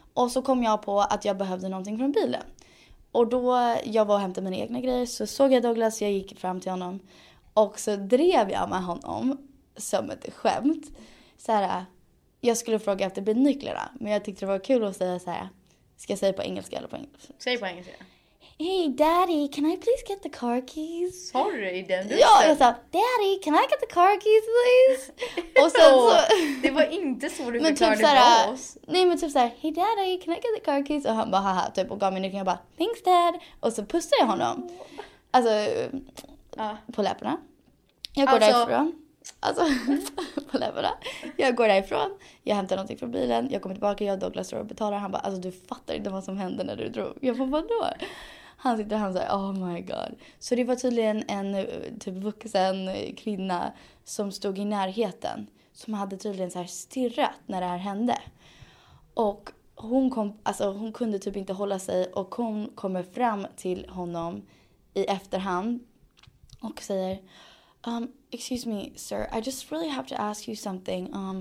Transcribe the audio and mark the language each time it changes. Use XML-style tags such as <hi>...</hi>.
<sv>Och så kom jag på att jag behövde någonting från bilen. Och då jag var och hämtade mina egna grejer så såg jag Douglas. Jag gick fram till honom. Och så drev jag med honom som ett skämt. Så här, jag skulle fråga efter bilnycklarna. Men jag tyckte det var kul att säga så här. Ska jag säga på engelska eller på engelska? Säg på engelska.</sv> <en>Hey daddy, can I please get the car keys?</en> <sv>Sorry, den du sa. Ja, jag sa,</sv> <en>daddy, can I get the car keys please?</en> <sv>Och sen så... det var inte så du förklarade typ för oss. Nej, men typ såhär,</sv> <en>hey daddy, can I get the car keys?</en> <sv>Och han bara, haha, typ. Och gav mig nyckeln och bara,</sv> <en>thanks dad.</en> <sv>Och så pussade jag honom. Alltså, på läpparna. Jag går därifrån. Alltså, på läpparna. Jag går därifrån, jag hämtar någonting från bilen. Jag kommer tillbaka, jag och Douglas står och betalar. Han bara, alltså du fattar inte vad som hände när du drog. Jag bara, vadå? Han sitter och han säger,</sv> <en>oh my god.</en> <sv>Så det var tydligen en typ vuxen kvinna som stod i närheten. Som hade tydligen så här stirrat när det här hände. Och hon kom, alltså hon kunde typ inte hålla sig. Och hon kommer fram till honom i efterhand. Och säger,</sv> <en>excuse me, sir. I just really have to ask you something.</en>